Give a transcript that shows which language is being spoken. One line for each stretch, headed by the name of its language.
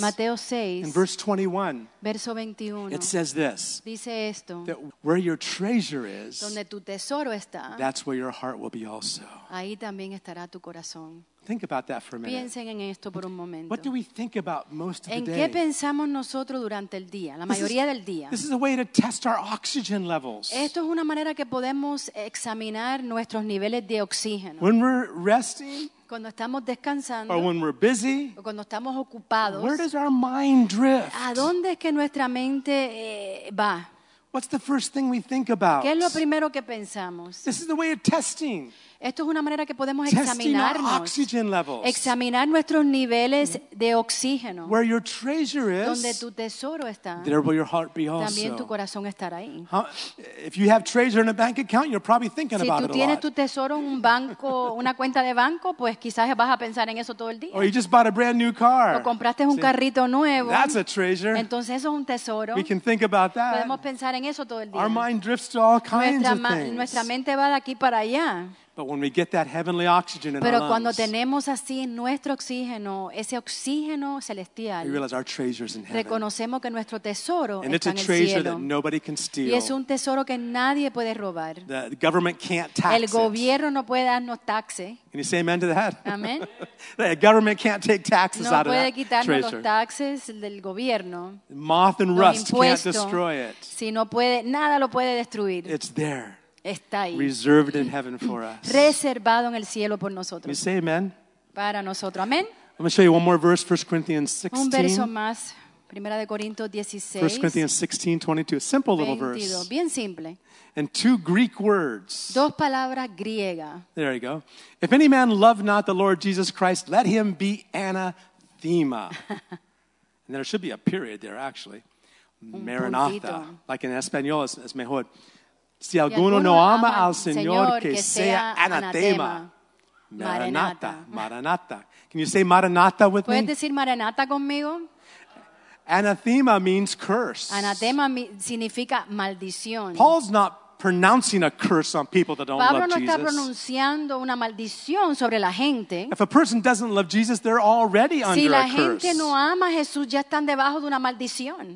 Spanish: Mateo 6,
English: in verse 21,
Spanish: verso 21,
English: it says this,
Spanish: dice esto,
English: that where your treasure is,
Spanish: donde tu tesoro está,
English: that's where your heart will be also.
Spanish: Ahí también estará tu corazón.
English: Think about that for a minute.
Spanish: Piensen en esto por un momento.
English: What do we think about most of the day?
Spanish: ¿En qué pensamos nosotros durante el día, la mayoría del día?
English: This is a way to test our oxygen levels.
Spanish: Esto es una manera que podemos examinar nuestros niveles de oxígeno.
English: When we're resting,
Spanish: cuando estamos descansando,
English: or when we're busy,
Spanish: o cuando estamos ocupados,
English: where does our mind drift?
Spanish: ¿A dónde es que nuestra mente va?
English: What's the first thing we think about?
Spanish: ¿Qué es lo primero que pensamos?
English: This is the way of testing.
Spanish: Esto es una manera que podemos examinarnos.
English: Testing our oxygen levels.
Spanish: Examinar nuestros niveles de oxígeno.
English: Where your treasure is,
Spanish: donde tu tesoro está,
English: there will your heart be also.
Spanish: También tu corazón estará ahí.
English: Huh? If you have treasure in a bank account, you're probably thinking
Spanish: si
English: about it a lot.
Spanish: Si tú tienes tu tesoro en un banco, una cuenta de banco, pues quizás vas a pensar en eso todo el día.
English: Or you just bought a brand new car.
Spanish: O compraste un carrito nuevo.
English: That's a treasure.
Spanish: Entonces eso es un tesoro.
English: We can think about that.
Spanish: Podemos pensar en eso todo el día.
English: Our mind drifts to all kinds
Spanish: nuestra
English: of things.
Spanish: Nuestra mente va de aquí para allá.
English: But when we get that heavenly oxygen in
Spanish: Pero
English: our lungs,
Spanish: cuando tenemos así nuestro oxígeno, ese oxígeno celestial,
English: we realize our treasure's in heaven.
Spanish: Reconocemos que nuestro tesoro
English: and
Spanish: está
English: it's a treasure
Spanish: cielo.
English: That nobody can steal.
Spanish: Y es un tesoro que nadie puede robar.
English: The government can't tax
Spanish: El gobierno
English: it.
Spanish: No puede darnos taxes.
English: Can you say amen to that? Amen. The government can't take taxes out
Spanish: puede
English: of that
Spanish: quitarnos
English: treasure.
Spanish: Los taxes del gobierno.
English: Moth and
Spanish: los
English: rust
Spanish: impuestos,
English: can't destroy it.
Spanish: Si no puede, nada lo puede destruir.
English: It's there.
Spanish: Está ahí.
English: Reserved in heaven for us.
Spanish: Reservado en el cielo por nosotros.
English: You say amen?
Spanish: Para nosotros. Amen.
English: I'm going to show you one more verse, 1 Corinthians 16.
Spanish: Un verso más. Primera de Corinto 16.
English: 1 Corinthians 16, 22. A simple 22. Little verse.
Spanish: Bien simple.
English: And two Greek words.
Spanish: Dos palabras griegas.
English: There you go. If any man love not the Lord Jesus Christ, let him be anathema. And there should be a period there, actually. Maranatha. Like in Espanol,
Spanish: es mejor. Si alguno no ama al Señor, que sea anatema.
English: Maranatha, Maranatha. Can you say Maranatha with
Spanish: ¿Puedes
English: me?
Spanish: ¿Puedes decir Maranatha conmigo?
English: Anathema means curse.
Spanish: Anatema significa maldición.
English: Paul's not pronouncing a curse on people that don't
Spanish: Pablo
English: love Jesus.
Spanish: Pablo no está pronunciando una maldición sobre la gente.
English: If a person doesn't love Jesus, they're already
Spanish: si
English: under a curse.
Spanish: Si la gente no ama a Jesús, ya están debajo de una maldición.